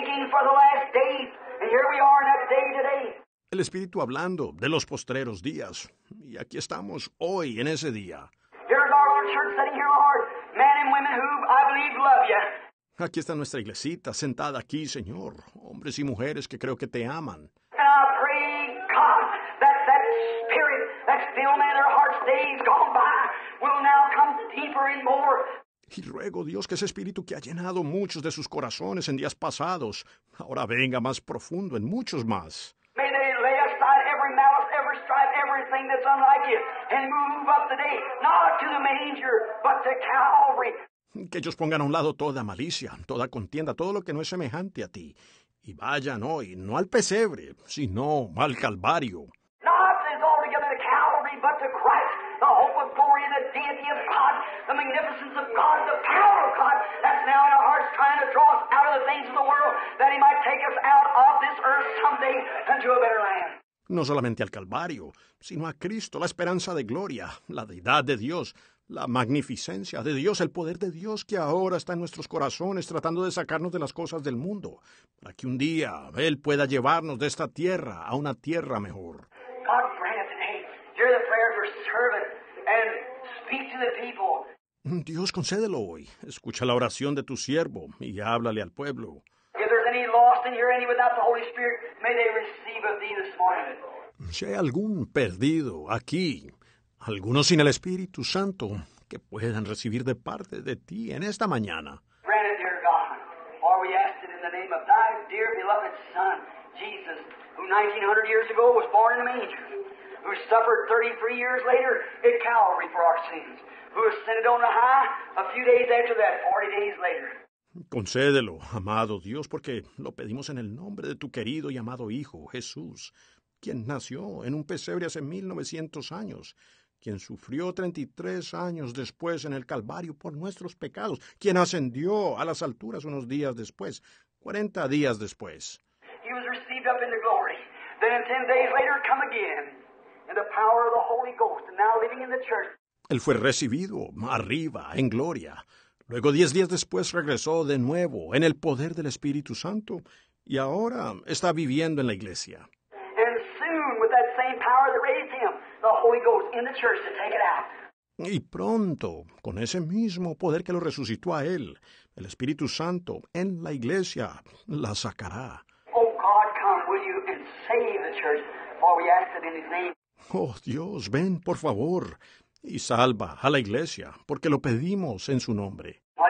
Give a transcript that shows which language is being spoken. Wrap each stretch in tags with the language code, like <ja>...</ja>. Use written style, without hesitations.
<en>For the last days, and here we are in that day today.</en> <es>El Espíritu hablando de los postreros días, y aquí estamos hoy en ese día.</es> <en>Here's our own church sitting here, Lord, men and women who I believe love you.</en> <es>Aquí está nuestra iglesita sentada aquí, Señor, hombres y mujeres que creo que te aman.</es> <en>And I pray, God, that spirit that's filled in their hearts days gone by will now come deeper and more.</en> <es>Y ruego, Dios, que ese espíritu que ha llenado muchos de sus corazones en días pasados, ahora venga más profundo en muchos más.</es> <en>May they lay aside every malice, every strife, everything that's unlike it, and move up today, not to the manger, but to Calvary.</en> <es>Que ellos pongan a un lado toda malicia, toda contienda, todo lo que no es semejante a ti, y vayan hoy, no al pesebre, sino al Calvario.</es> <en>Not altogether to Calvary, but to Christ. The hope of glory and the deity of God, the magnificence of God, the power of God, that's now in our hearts trying to draw us out of the things of the world, that he might take us out of this earth someday into a better land.</en> <es>No solamente al Calvario, sino a Cristo, la esperanza de gloria, la deidad de Dios, la magnificencia de Dios, el poder de Dios que ahora está en nuestros corazones tratando de sacarnos de las cosas del mundo, para que un día Él pueda llevarnos de esta tierra a una tierra mejor.</es> <en>God grant it. Hear the prayer of your servant and speak to the people.</en> <es>Dios, concédelo hoy. Escucha la oración de tu siervo y háblale al pueblo.</es> <en>If there's any lost in here, any without the Holy Spirit, may they receive of thee this morning.</en> <es>Si hay algún perdido aquí, algunos sin el Espíritu Santo, que puedan recibir de parte de ti en esta mañana.</es> <en>Grant it, dear God, for we ask it in the name of thy dear beloved Son, Jesus, who 1900 years ago was born in a manger. Who suffered 33 years later at Calvary for our sins. Who ascended on the high a few days after that, 40 days later.</en> <es>Concédelo, amado Dios, porque lo pedimos en el nombre de tu querido y amado Hijo, Jesús, quien nació en un pesebre hace 1900 años, quien sufrió 33 años después en el Calvario por nuestros pecados, quien ascendió a las alturas unos días después, 40 días después.</es> <en>He was received up into glory. Then 10 days later, come again. In the power of the Holy Ghost, and now living in the church.</en> <es>Él fue recibido arriba en gloria. Luego 10 días después regresó de nuevo en el poder del Espíritu Santo y ahora está viviendo en la iglesia.</es> <en>And soon, with that same power that raised him, the Holy Ghost in the church to take it out.</en> <es>Y pronto, con ese mismo poder que lo resucitó a él, el Espíritu Santo en la iglesia la sacará.</es> <en>Oh God, come with you and save the church, for we ask it in his name.</en> <es>Oh, Dios, ven, por favor, y salva a la iglesia, porque lo pedimos en su nombre.</es>